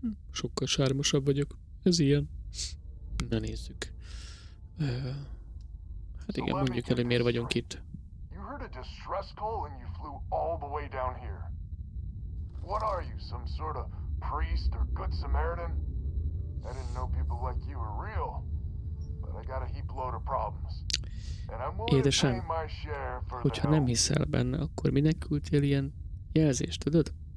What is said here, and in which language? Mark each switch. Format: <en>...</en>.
<hu>Sokkal sármosabb vagyok. Ez ilyen. Na nézzük. Hát igen, mondjuk el, hogy miért vagyunk itt.</hu> <en>You heard a distress call and you flew all the way down here. What are you, some sort of priest or good Samaritan? I didn't know people like you were real. But I got a heap load of problems.</en> <hu>Édesem, hogyha nem hiszel benne, akkor minek küldtél ilyen jelzést, tudod?</hu>